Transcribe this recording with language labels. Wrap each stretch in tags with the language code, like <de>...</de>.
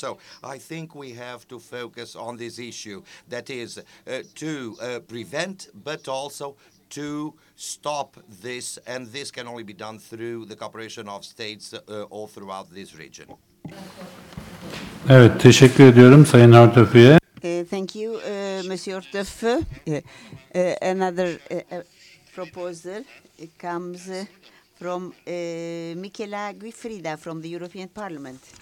<en>So I think we have to focus on this issue, that is, to prevent, but also to stop this, and this can only be done through the cooperation of states all throughout this region.</en> <tr>Evet, teşekkür ediyorum Sayın Ortefi'ye.</tr> <en>Thank you, Monsieur Ortefi. Another proposal comes from Michela Guifrida from the European Parliament.</en>